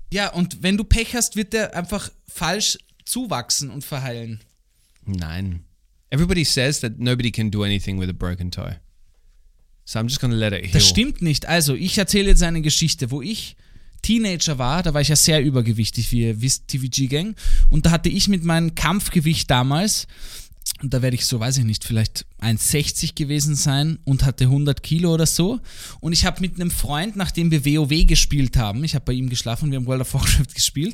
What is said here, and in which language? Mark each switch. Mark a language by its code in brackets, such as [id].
[de] Ja, und wenn du Pech hast, wird der einfach falsch zuwachsen und verheilen. Nein. [en] Everybody says that nobody can do anything with a broken toe. So I'm just going to let it heal. [de] Das stimmt nicht. Also, ich erzähle jetzt eine Geschichte, wo ich Teenager war. Da war ich ja sehr übergewichtig, wie ihr wisst, TVG-Gang. Und da hatte ich mit meinem Kampfgewicht damals, und da werde ich so, weiß ich nicht, vielleicht 1,60 gewesen sein und hatte 100 Kilo oder so. Und ich habe mit einem Freund, nachdem wir WoW gespielt haben, ich habe bei ihm geschlafen, wir haben World of Warcraft gespielt.